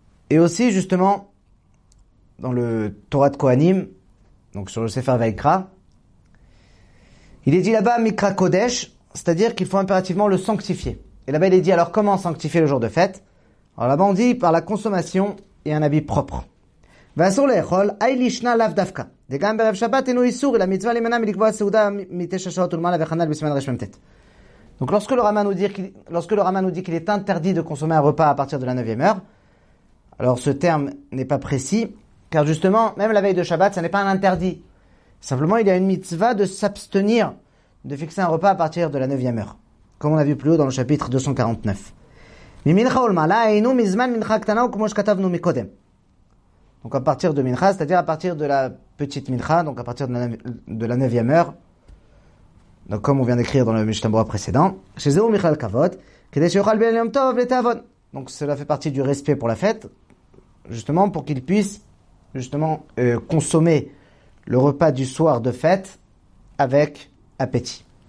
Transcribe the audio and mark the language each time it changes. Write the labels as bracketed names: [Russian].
[French] Et aussi, justement, dans le Torah de Kohanim, donc sur le Sefer Vaikra, il est dit là-bas, Mikra Kodesh, c'est-à-dire qu'il faut impérativement le sanctifier. Et là-bas, il est dit, alors comment sanctifier le jour de fête? Alors là-bas, on dit par la consommation et un habit propre. [Hebrew] ואסור לאכול, אי לישנה לאו דווקא. וגם בערב שבת אינו איסור, אלא מצווה להימנע מלקבוע סעודה מתשע שעות ולמעלה וכנ"ל בסימן רמ"ט. [French] Donc lorsque le Rama nous dit qu'il est interdit de consommer un repas à partir de la 9e heure, alors ce terme n'est pas précis, car justement, même la veille de Shabbat, ça n'est pas un interdit. Simplement, il y a une mitzvah de s'abstenir de fixer un repas à partir de la 9e heure, comme on a vu plus haut dans le chapitre 249. [Hebrew] ממנחה ולמעלה אינו מזמן מנחה קטנה וכמו שכתבנו מקודם. [French] Donc à partir de Mincha, c'est-à-dire à partir de la petite Mincha, donc à partir de la 9e heure, donc comme on vient d'écrire dans le Mishnah Berurah précédent, [Hebrew] chez Zéou Michal Kavod, Kedesh Yochal Ben Yom Tov, Letavon. [French] Donc cela fait partie du respect pour la fête, justement pour qu'il puisse justement consommer le repas du soir de fête avec appétit.